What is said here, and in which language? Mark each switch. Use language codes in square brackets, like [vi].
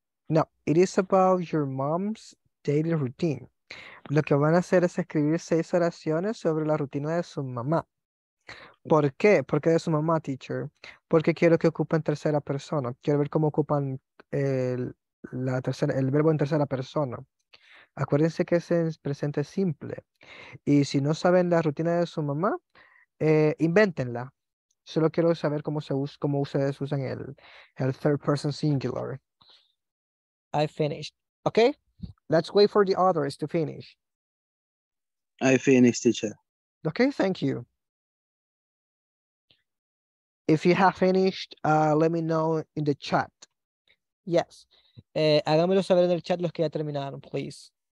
[en] No, it is about your mom's daily routine. [es] Lo que van a hacer es escribir 6 oraciones sobre la rutina de su mamá. ¿Por qué? ¿Por qué de su mamá, teacher? Porque quiero que ocupen tercera persona. Quiero ver cómo ocupan el verbo en tercera persona. Acuérdense que es en presente simple. Y si no saben la rutina de su mamá, invéntenla. Solo quiero saber cómo ustedes usan el [en] third person singular. I finished. Okay? Let's wait for the others to finish. I finished, teacher. Okay, thank you. If you have finished, let me know in the chat. Yes. [es] Háganmelo saber en el chat los que ya terminaron, please.